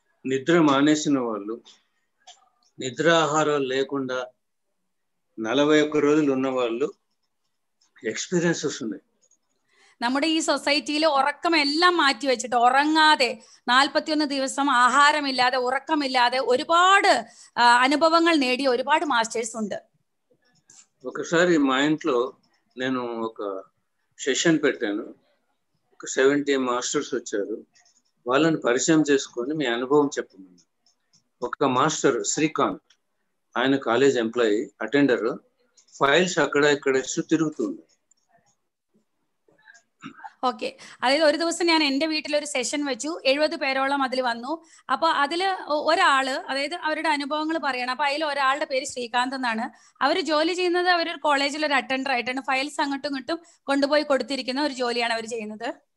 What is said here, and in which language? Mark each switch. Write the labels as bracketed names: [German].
[Telugu] నిద్ర మానేసిన వాళ్ళు, నిద్ర ఆహారాలు లేకుండా 41 రోజులు ఉన్న వాళ్ళు ఎక్స్పీరియన్సెస్ ఉన్నాయి. [Malayalam] നമ്മുടെ ഈ സൊസൈറ്റിയിൽ ഉറക്കം എല്ലാം മാറ്റി വെച്ചിട്ട് ഉറങ്ങാതെ 41 ദിവസം ആഹാരമില്ലാതെ ഉറക്കമില്ലാതെ ഒരുപാട് അനുഭവങ്ങൾ നേടിയ ഒരുപാട് മാസ്റ്റേഴ്സ് ഉണ്ട്. [Telugu] ഒക്കെസാരി മൈ ഇൻട്ലോ నేను ఒక సెషన్ పెట్టాను. ఒక 70 మాస్టర్స్ వచ్చారు. వాళ్ళని పరిచయం చేసుకొని మీ అనుభవం చెప్పమన్నా. ఒక మాస్టర్ శ్రీకాంత్, ఆయన కాలేజ్ ఎంప్లాయీ అటెండర్, ఫైల్స్ అక్కడ ఇక్కడ తిరుగుతుంది. [Malayalam] ഓക്കെ, അതായത് ഒരു ദിവസം ഞാൻ എൻ്റെ വീട്ടിലൊരു സെഷൻ വെച്ചു. 70 പേരോളം അതിൽ വന്നു. അപ്പൊ അതിൽ ഒരാള്, അതായത് അവരുടെ അനുഭവങ്ങൾ പറയണം. അപ്പൊ അതിൽ ഒരാളുടെ പേര് ശ്രീകാന്ത് എന്നാണ്. അവർ ജോലി ചെയ്യുന്നത് അവരൊരു കോളേജിലൊരു അറ്റൻഡർ ആയിട്ടാണ്. ഫയൽസ് അങ്ങോട്ടും ഇങ്ങോട്ടും കൊണ്ടുപോയി കൊടുത്തിരിക്കുന്ന ഒരു ജോലിയാണ് അവർ ചെയ്യുന്നത്.